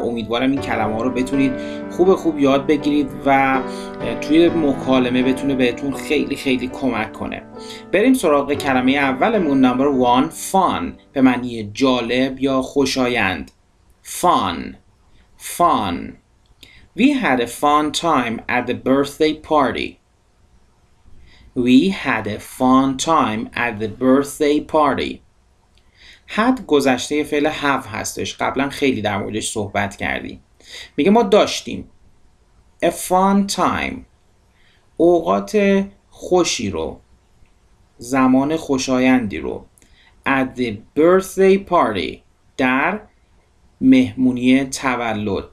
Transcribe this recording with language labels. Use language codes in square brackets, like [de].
[fa] امیدوارم این کلمه‌ها رو بتونید خوب یاد بگیرید و توی مکالمه بتونه بهتون خیلی کمک کنه. بریم سراغ کلمه اولمون، نمبر 1، فان، به معنی جالب یا خوشایند. [en] Fun. We had a fun time at the birthday party. We had a fun time at the birthday party. [fa] Had گذشته فعل have هستش. قبلا خیلی در موردش صحبت کردیم. میگه ما داشتیم [en] a fun time، [fa] اوقات خوشی رو، زمان خوشایندی رو، [en] at the birthday party، [fa] در مهمونی تولد.